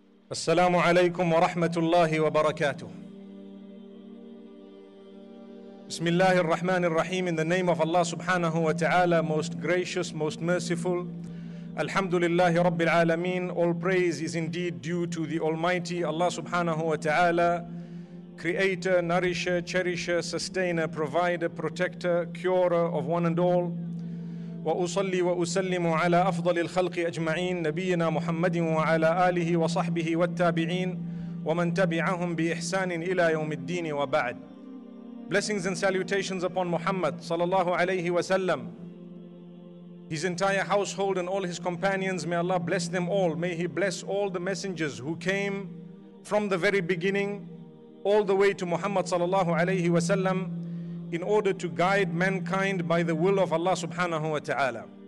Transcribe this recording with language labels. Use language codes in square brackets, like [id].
[ar] السلام عليكم ورحمة الله وبركاته. بسم الله الرحمن الرحيم. [en] In the name of Allah [ar] سبحانه وتعالى, [en] most gracious, most merciful. [ar] الحمد لله رب العالمين. [en] All praise is indeed due to the Almighty Allah [ar] سبحانه وتعالى, [en] Creator, Nourisher, Cherisher, Sustainer, Provider, Protector, Curer of one and all. [ar] وأصلي وأسلم على أفضل الخلق أجمعين نبينا محمد وعلى آله وصحبه والتابعين ومن تبعهم بإحسان إلى يوم الدين وبعد. [en] Blessings and salutations upon Muhammad [ar] صلى الله عليه وسلم, [en] his entire household and all his companions. May Allah bless them all. May He bless all the messengers who came from the very beginning all the way to Muhammad [ar] صلى الله عليه وسلم, [en] in order to guide mankind by the will of Allah subhanahu wa ta'ala.